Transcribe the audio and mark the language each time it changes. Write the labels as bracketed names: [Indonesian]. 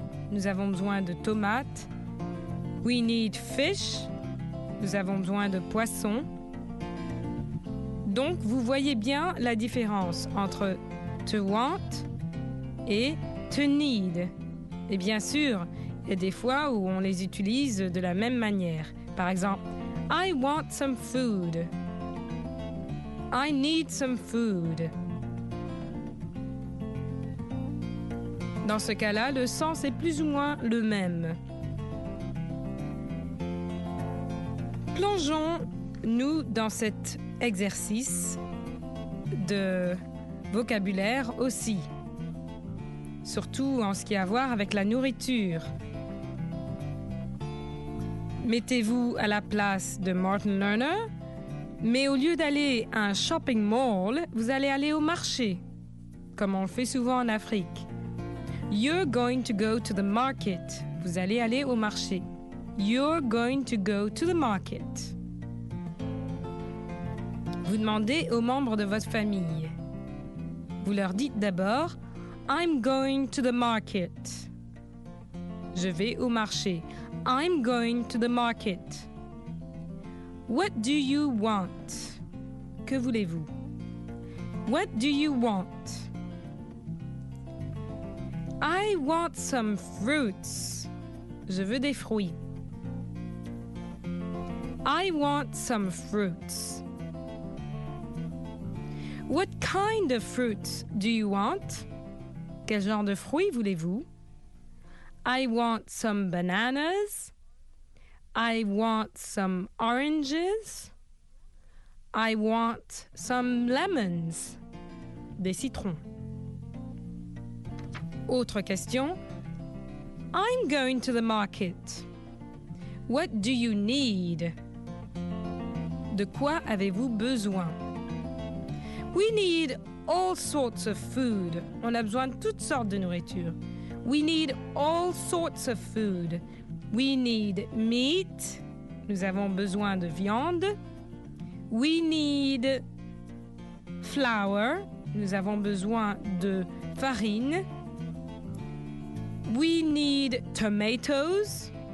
[French] Nous avons besoin de tomates. [English] We need fish. [French] Nous avons besoin de poissons. Donc, vous voyez bien la différence entre to want et to need. Et bien sûr, il y a des fois où on les utilise de la même manière. Par exemple, [English] I want some food. I need some food. [French] Dans ce cas-là, le sens est plus ou moins le même. Plongeons-nous dans cet exercice de vocabulaire aussi. Surtout en ce qui a à voir avec la nourriture. Mettez-vous à la place de Martin Lerner, mais au lieu d'aller à un shopping mall, vous allez aller au marché, comme on le fait souvent en Afrique. [English] You're going to go to the market. [French] Vous allez aller au marché. [English] You're going to go to the market. [French] Vous demandez aux membres de votre famille. Vous leur dites d'abord [English] I'm going to the market. [French] Je vais au marché. [English] I'm going to the market. What do you want? [French] Que voulez-vous? [English] What do you want? I want some fruits. [French] Je veux des fruits. [English] I want some fruits. What kind of fruits do you want? [French] Quel genre de fruits voulez-vous? [English] I want some bananas. I want some oranges. I want some lemons. [French] Des citrons. Autre question. [English] I'm going to the market. What do you need? [French] De quoi avez-vous besoin? [English] We need all sorts of food. [French] On a besoin de toutes sortes de nourriture. [English] We need all sorts of food. We need meat. [French] Nous avons besoin de viande. [English] We need flour. [French] Nous avons besoin de farine. [English] We need tomatoes.